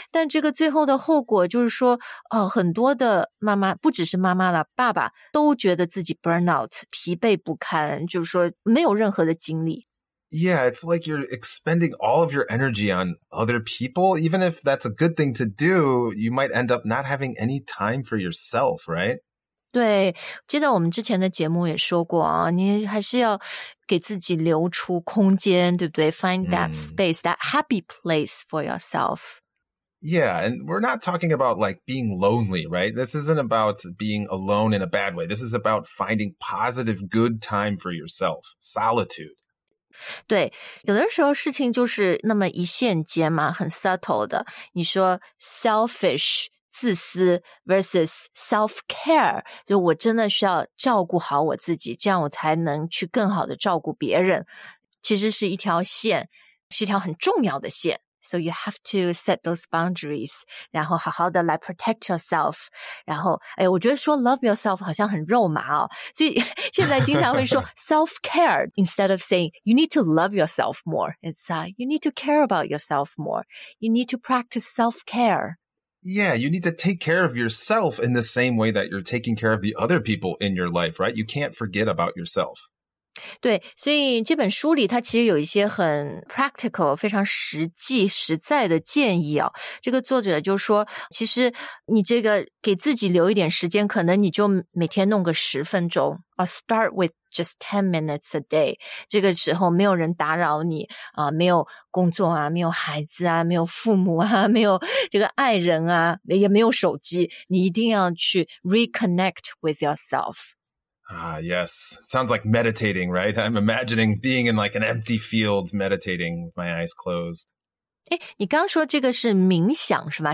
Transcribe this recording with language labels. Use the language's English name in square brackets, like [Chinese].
[Chinese] 但这个最后的后果就是说，哦，很多的妈妈，不只是妈妈了，爸爸都觉得自己 burnout, 疲惫不堪，就是说没有任何的精力。 [English] Yeah, it's like you're expending all of your energy on other people. Even if that's a good thing to do, you might end up not having any time for yourself, right? [Chinese] 对，记得我们之前的节目也说过啊，你还是要给自己留出空间，对不对 ？ [English] Find that space, that happy place for yourself. Yeah, and we're not talking about like being lonely, right? This isn't about being alone in a bad way. This is about finding positive, good time for yourself, solitude. [Chinese] 对，有的时候事情就是那么一线间嘛，很 subtle 的。你说 selfish。自私 versus self-care， 就我真的需要照顾好我自己，这样我才能去更好的照顾别人。其实是一条线，是一条很重要的线。 [English] So you have to set those boundaries， [Chinese] 然后好好的来 [English] protect yourself。 [Chinese] 然后，哎，我觉得说 [English] love yourself [Chinese] 好像很肉麻哦，所以现在经常会说 [English] self-care instead of saying you need to love yourself more。 It's you need to care about yourself more。 You need to practice self-care。 Yeah, you need to take care of yourself in the same way that you're taking care of the other people in your life, right? You can't forget about yourself. [Chinese] 对，所以这本书里它其实有一些很 practical, 非常实际实在的建议啊。这个作者就说，其实你这个给自己留一点时间，可能你就每天弄个十分钟 [English] or start with just 10 minutes a day. [Chinese] 这个时候没有人打扰你啊，没有工作啊，没有孩子啊，没有父母啊，没有这个爱人啊，也没有手机，你一定要去 [English] reconnect with yourself. Yes. Sounds like meditating, right? I'm imagining being in like an empty field meditating with my eyes closed. [Chinese] 诶，你刚说这个是冥想是吧？